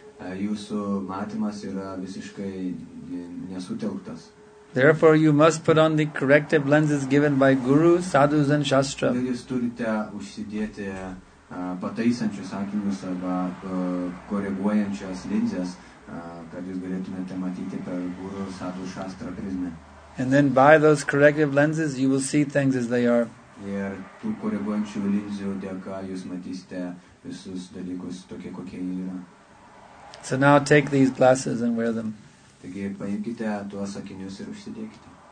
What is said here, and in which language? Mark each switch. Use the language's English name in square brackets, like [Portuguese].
[Lithuanian] Jūsų matymas yra visiškai nesutelktas. [English] Therefore, you must put on the corrective lenses given by Guru, Sadhus and Shastra. [Lithuanian] Taigi jūs turite užsidėti pataisančius akinius arba koreguojančias linzes, kad jūs galėtumėte matyti per Guru Sadhu Shastra prizmę. [English] And then by those corrective lenses you will see things as they are. [Lithuanian] Ir tų koreguojančių linzių dėka jūs matysite visus dalykus tokie, kokie jie yra. [English] So now take these glasses and wear them. [Lithuanian] Taigi paimkite tuos akinius ir užsidėkite.